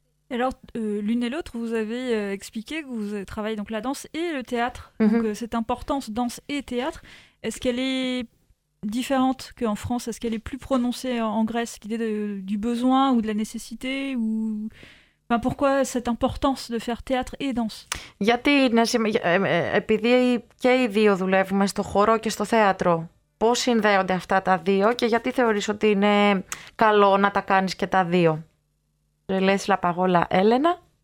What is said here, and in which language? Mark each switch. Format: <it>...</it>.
<fr>Alors, l'une et l'autre, vous avez expliqué que vous travaillez donc la danse et le théâtre. Mm-hmm. Donc, cette importance danse et théâtre, est-ce qu'elle est différente qu'en France? Est-ce qu'elle est plus prononcée en Grèce, l'idée du besoin ou de la nécessité ou... Enfin, pourquoi cette importance de faire théâtre et danse?</fr> <el>Γιατί είναι επειδή και οι δύο δουλεύουμε στο χώρο και στο θέατρο. Πώς συνδέονται αυτά τα δύο και γιατί θεωρείς ότι είναι καλό να τα κάνεις και τα δύο? Λες</el> <fr>la parole à Elena.</fr>